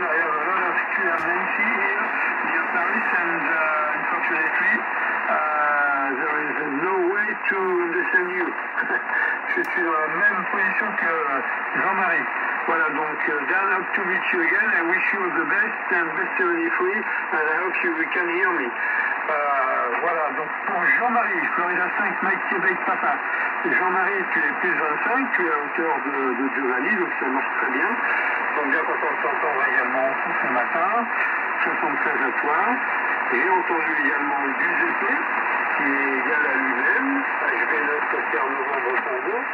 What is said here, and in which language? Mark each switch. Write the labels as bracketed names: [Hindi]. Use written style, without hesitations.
[English] I have a lot of QRNC here near Paris and unfortunately there is no way to understand you. [French] Je suis dans la même position que Jean-Marie. Voilà donc Dan, [English] hope to meet you again. I wish you the best and best 73 and I hope you can hear me. [French] Voilà, donc pour Jean-Marie, Florida 5, Mike Québec, Papa. Jean-Marie, tu es plus 25, tu es à hauteur de Giovanni, donc ça marche très bien. Donc bien content de t'entendre également ce matin, 73 à toi. J'ai entendu également Giuseppe, qui est égal à lui-même, HB9, Terre Novembre, Congo.